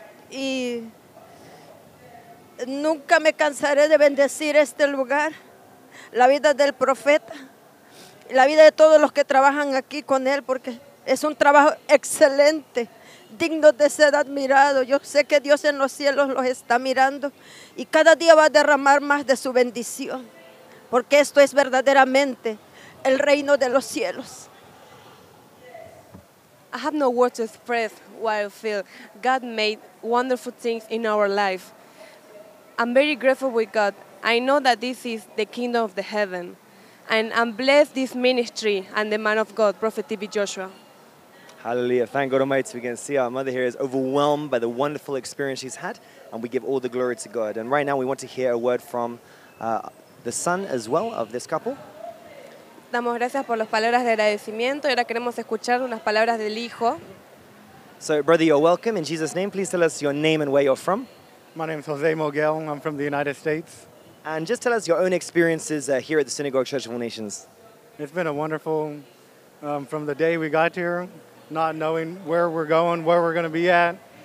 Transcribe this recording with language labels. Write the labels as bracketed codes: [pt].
[es] Y nunca me cansaré de bendecir este lugar, la vida del profeta, la vida de todos los que trabajan aquí con él, porque es un trabajo excelente, digno de ser admirado. Yo sé que Dios en los cielos los está mirando y cada día va a derramar más de su bendición, porque esto es verdaderamente el reino de los cielos. [en] I have no words to express what I feel. God made wonderful things in our life. I'm very grateful with God. I know that this is the kingdom of the heaven. And I'm blessed this ministry and the man of God, Prophet T.B. Joshua. Hallelujah. Thank God Almighty. We can see our mother here is overwhelmed by the wonderful experience she's had. And we give all the glory to God. And right now we want to hear a word from the son as well of this couple. [es] Damos gracias por las palabras de agradecimiento. Y ahora queremos escuchar unas palabras del hijo. [en] So, brother, you're welcome. In Jesus' name, please tell us your name and where you're from. My name is Jose Moguel. I'm from the United States. And just tell us your own experiences here at the Synagogue Church of All Nations. It's been a wonderful, from the day we got here, not knowing where we're going, where we're going to be at.